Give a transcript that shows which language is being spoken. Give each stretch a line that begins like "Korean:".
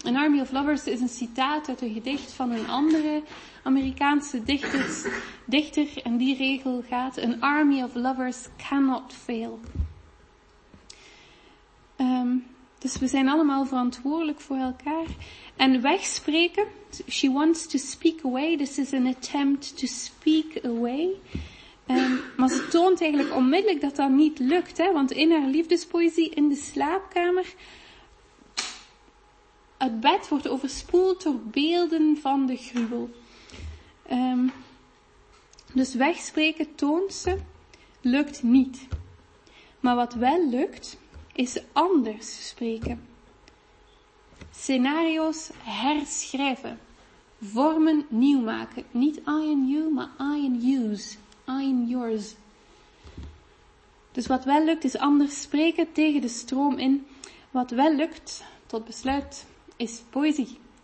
Dutch: An Army of Lovers is een citaat uit een gedicht van een andere Amerikaanse dichter. En die regel gaat,
English: An Army of Lovers cannot fail.
Dutch: Dus we zijn allemaal verantwoordelijk voor elkaar. En wegspreken,
English: she wants to speak away. This is an attempt to speak away.
Dutch: Maar ze toont eigenlijk onmiddellijk dat dat niet lukt, hè? Want in haar liefdespoëzie, in de slaapkamer, het bed wordt overspoeld door beelden van de gruwel. Dus wegspreken, toont ze, lukt niet. Maar wat wel lukt, is anders spreken. Scenario's herschrijven. Vormen nieuw maken. Niet
English: I and you,
Dutch: maar
English: I and yous. I and yours.
Dutch: Dus wat wel lukt is anders spreken tegen de stroom in. Wat wel lukt, tot besluit, is poëzie.